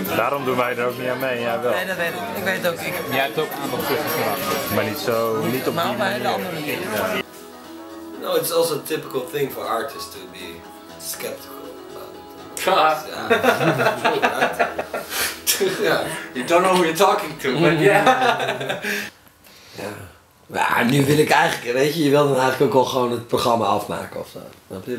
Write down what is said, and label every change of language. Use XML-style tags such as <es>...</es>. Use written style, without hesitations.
<nl>Daarom doen wij er ook niet aan mee, jij wel. Nee, dat weet ik. Ik weet ook. Jij hebt ook aandachtzuchtig karakter. Maar niet zo, niet op die manier. Maar op een andere manier.</nl> <en>No, it's also a typical thing for artists to be skeptical about it. Yeah. You don't know who you're talking to, but yeah.</en> <nl>Ja. Maar nu wil ik eigenlijk, weet je, je wil dan eigenlijk ook wel gewoon het programma afmaken ofzo. Snap je?</nl>